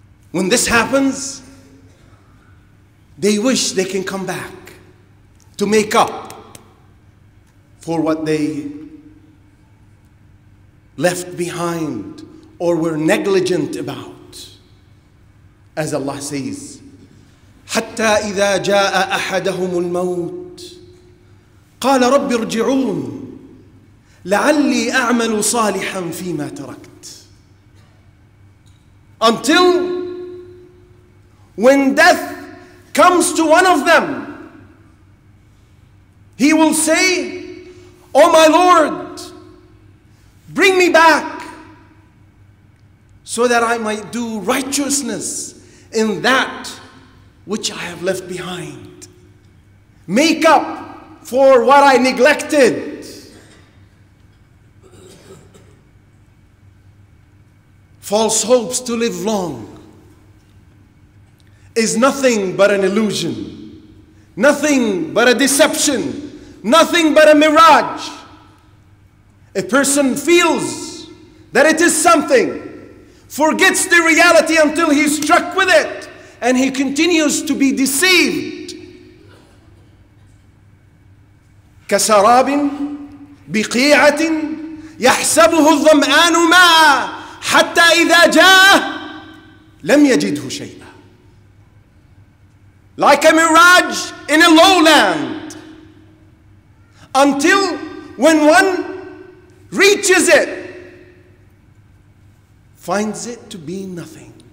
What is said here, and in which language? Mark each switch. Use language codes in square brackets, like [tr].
[en] When this happens, they wish they can come back to make up for what they left behind or were negligent about. As Allah says, [ar] حَتَّى إِذَا جَاءَ أَحَدَهُمُ الْمَوْتِ قَالَ رَبِّ ارْجِعُونَ لَعَلِّي أَعْمَلُ صَالِحًا فِي مَا تَرَكْتِ. [en] Until when death comes to one of them, he will say, Oh my Lord, bring me back so that I might do righteousness in that which I have left behind. Make up for what I neglected. False hopes to live long is nothing but an illusion, nothing but a deception, nothing but a mirage. A person feels that it is something, forgets the reality until he's struck with it, and he continues to be deceived. [ar] كسراب بقيعة يحسبه الظمآن ماء حتى إذا جاء لم يجده شيئا. [en] Like a mirage in a lowland, until when one reaches it, finds it to be nothing.